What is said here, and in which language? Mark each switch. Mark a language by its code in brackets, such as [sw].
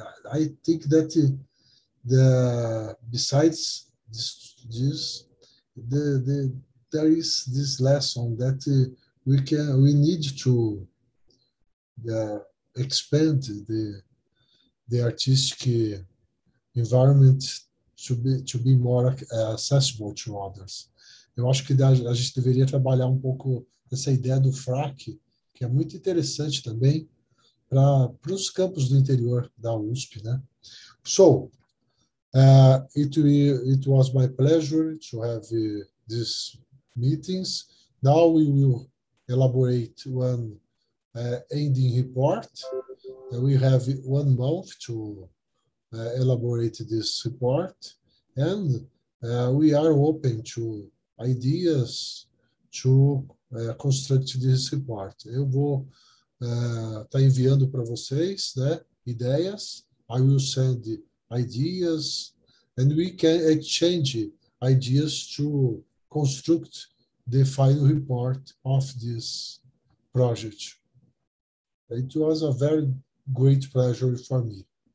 [en] I think that besides this, there is this lesson that we need to expand the artistic environment to be more accessible to others. [pt] Eu acho que a gente deveria trabalhar um pouco essa ideia do FRAC, que é muito interessante também para os campos do interior da USP, né? [en] So, it was my pleasure to have these meetings. Now we will elaborate one ending report. We have 1 month to elaborate this report, and we are open to ideas to construct this report. [pt] Eu vou tá enviando para vocês, né, ideias. [en] I will send ideas, and we can exchange ideas to construct the final report of this project. It was a very great pleasure for me.